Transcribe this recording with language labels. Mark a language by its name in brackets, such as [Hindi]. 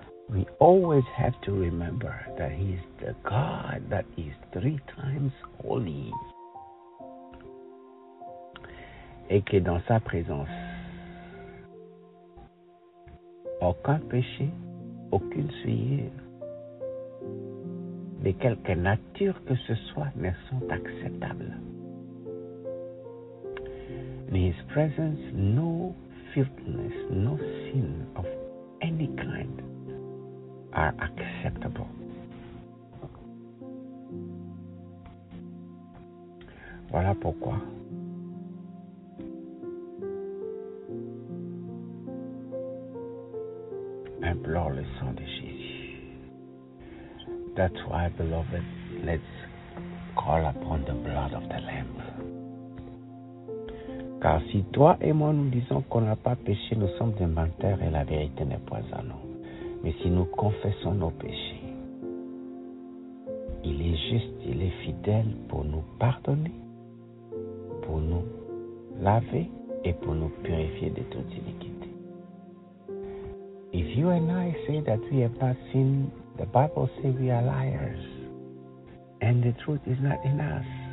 [English] We always have to remember that he is the God that is three times holy. [French] Et que dans sa présence, aucun péché, aucune souillure, de quelque nature que ce soit, ne sont acceptables. [English] In his presence, no filthiness, no sin of any kind are acceptable. [French] Voilà pourquoi implore le sang de Jésus. [English] That's why, beloved, let's call upon the blood of the Lamb. [French] Car si toi et moi nous disons qu'on n'a pas péché, nous sommes des menteurs et la vérité n'est pas en nous. Mais si nous confessons nos péchés, il est juste, il est fidèle pour nous pardonner, pour nous laver et pour nous purifier de toute iniquité. [English] If you and I say that we have not sinned, the Bible says we are liars and the truth is not in us.